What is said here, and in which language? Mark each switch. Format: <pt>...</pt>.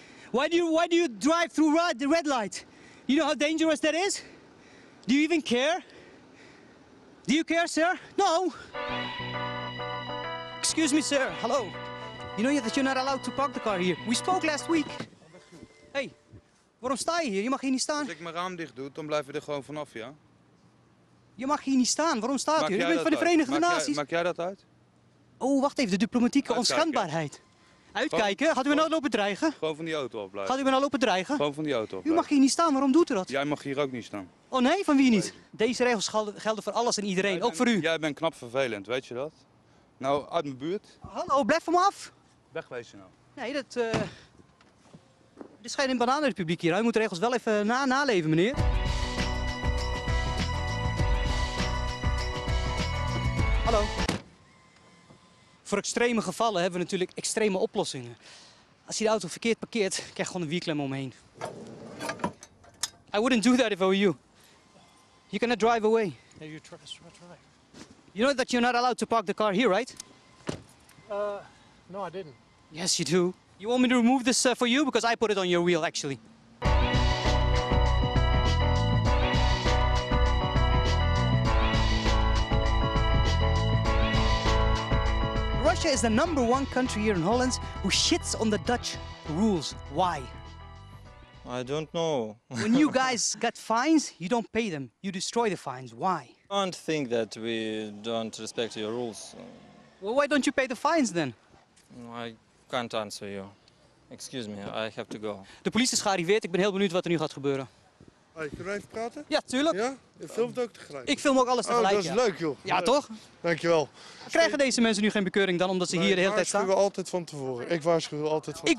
<en>Why do you drive through the red light? You know how dangerous that is? Do you even care? Do you care, sir? No. Excuse me, sir. Hello. You know that you're not allowed to park the car here. We spoke last week.</en> <nl>Hey, waarom sta je hier? Je mag hier niet staan. Als ik mijn raam dicht doe, dan blijven we er gewoon vanaf, ja? Je mag hier niet staan. Waarom staat u? Je bent van de Verenigde Naties. Maak jij dat uit? Oh, wacht even. De diplomatieke onschendbaarheid. Uitkijken. Gaat u me nou lopen dreigen? Gewoon van die auto afblijven. Gaat u me nou lopen dreigen? Gewoon van die auto afblijven. U mag hier niet staan. Waarom doet u dat? Jij mag hier ook niet staan. Oh nee? Van wie niet? Deze regels gelden voor alles en iedereen. Ook voor u. Jij bent knap vervelend. Weet je dat? Nou, uit mijn buurt. Hallo, blijf van me af. Wegwezen nou. Nee, dat... Er is geen bananenrepubliek hier. U moet de regels wel even naleven, meneer. Hallo. Voor extreme gevallen hebben we natuurlijk extreme oplossingen. Als je de auto verkeerd parkeert, krijg je gewoon een wielklem omheen.</nl> <en>I wouldn't do that if I were you. You cannot drive away. Yeah, you're right. You know that you're not allowed to park the car here, right? No, I didn't. Yes, you do. You want me to remove this for you? Because I put it on your wheel, actually. Russia is the number one country here in Holland who shits on the Dutch rules. Why? I don't know. When you guys get fines, you don't pay them. You destroy the fines. Why? I don't think that we don't respect your rules. Well, why don't you pay the fines then? I can't answer you. Excuse me, I have to go.</en> <nl>De politie is gearriveerd. Ik ben heel benieuwd wat er nu gaat gebeuren. Hey, kunnen we even praten? Ja, tuurlijk. Ja? Je filmt ook tegelijk? Ik film ook alles tegelijk. Oh, dat is leuk, joh. Ja, toch? Dankjewel. Krijgen deze mensen nu geen bekeuring dan omdat ze hier de hele tijd staan? Ik waarschuw altijd van tevoren. Ik waarschuw altijd van tevoren.</nl>